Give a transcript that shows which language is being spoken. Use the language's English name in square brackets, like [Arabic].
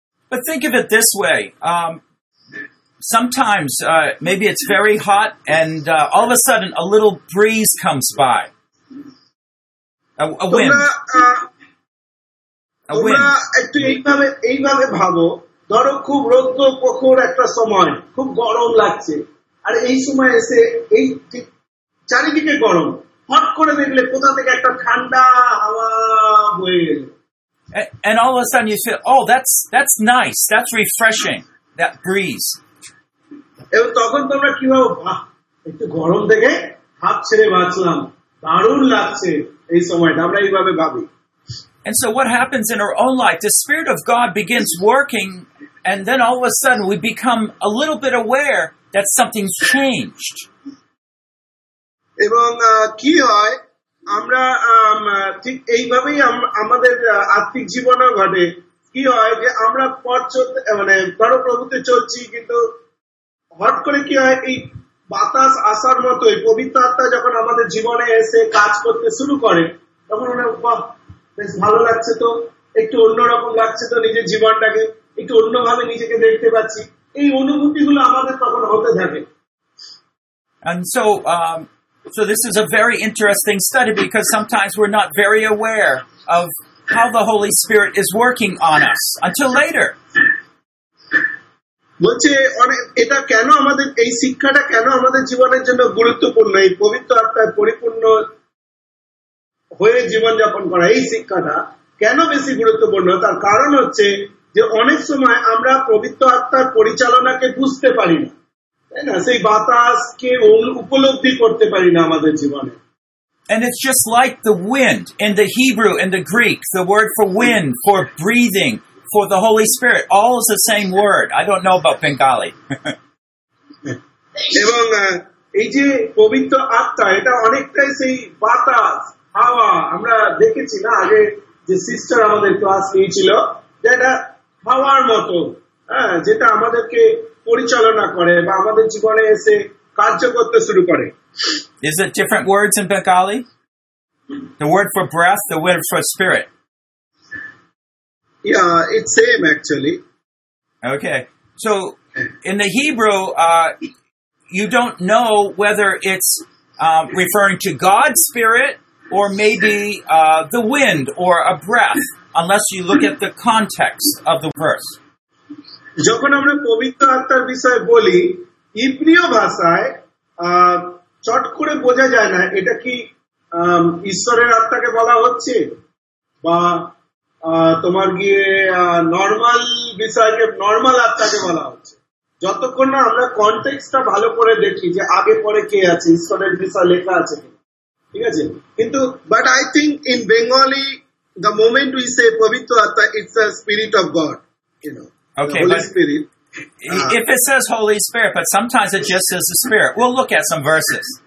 [English] But think of it this way, sometimes maybe it's very hot and all of a sudden a little breeze comes by, a wind. [Bangla] তোমরা একটু এইভাবে এইভাবে ভাবো, ধরো খুব রৌদ্র প্রখর একটা সময়, খুব গরম লাগছে, আর এই সময় এসে এই চারিদিকে গরম, হট করে দেখলে কোথা থেকে একটা ঠান্ডা হাওয়া বইল, [English] and all of a sudden you say, oh, that's nice, that's refreshing, that breeze. [Bangla] এবং তখন তোমরা কি ভাবো, বাহ, একটু গরম থেকে হাত ছেড়ে বাঁচলাম, দারুণ লাগছে এই সময়টা, আমরা এইভাবে ভাবি। [English] And so what happens in our own life, the Spirit of God begins working, and then all of a sudden we become a little bit aware that something's changed. [Bangla] এবং কি হয়, আমরা ঠিক এইভাবেই আমাদের আত্মিক জীবনও ঘটে, কি হয় যে আমরা বড় প্রভুতে চলছি, কিন্তু হট করে কি হয়, এই বাতাস আসার মতোই পবিত্র আত্মা যখন আমাদের জীবনে এসে কাজ করতে শুরু করে, তখন ওরা বেশ ভালো লাগছে, তো একটু অন্যরকম লাগছে, তো নিজের জীবনটাকে একটু অন্যভাবে নিজেকে দেখতে পাচ্ছি, এই অনুভূতি গুলো আমাদের তখন হতে থাকে। [English] And so so this is a very interesting study because sometimes we're not very aware of how the Holy Spirit is working on us until later. [Bangla] বলছে এটা কেন আমাদের, এই শিক্ষাটা কেন আমাদের জীবনের জন্য গুরুত্বপূর্ণ, এই পবিত্র আত্মায় পরিপূর্ণ হয়ে জীবনযাপন করা এই শিক্ষাটা কেন বেশি গুরুত্বপূর্ণ, তার কারণ হচ্ছে যে অনেক সময় আমরা পবিত্র আত্মার পরিচালনাকে বুঝতে পারি না, তাই না? সেই বাতাসকে উপলব্ধি করতে পারি না আমাদের জীবনে। [English] And it's just like the wind in the Hebrew and the Greek, the word for wind, for breathing, for the Holy Spirit, all is the same word. I don't know about Bengali. [Bangla] এবং এই যে পবিত্র আত্মা এটা অনেকটাই সেই বাতাস হাওয়া, আমরা দেখেছি না আগে যে সিস্টার আমাদের ক্লাস নিয়েছিল, যেটা হাওয়ার মত, হ্যাঁ, যেটা আমাদেরকে পরিচালনা করে বা আমাদের জীবনে এসে কার্য করতে শুরু করে। [English] Is it different words in Bengali? The word for breath, the word for spirit? Yeah, it's same actually. Okay. So in the Hebrew, you don't know whether it's referring to God's spirit or maybe the wind or a breath unless you look at the context of the verse. [Bangla] যখন আমরা পবিত্র আত্মার বিষয়ে বলি ইব্রীয় ভাষায় চট করে বোঝা যায় না এটা কি ঈশ্বরের আত্মাকে বলা হচ্ছে বা তোমার গিয়ে নর্মাল বিষয়কে নর্মাল আত্মাকে বলা হচ্ছে, যতক্ষণ না আমরা কনটেক্সটটা ভালো করে দেখি যে আগে পরে কে আছে, ঈশ্বরের বিষয় লেখা আছে কি, ঠিক আছে? কিন্তু [English] but I think in Bengali the moment we say [Bangla] পবিত্র আত্মা [English] It's a spirit of God, holy spirit. If it says Holy Spirit, but sometimes it just says the Spirit. We'll look at some verses.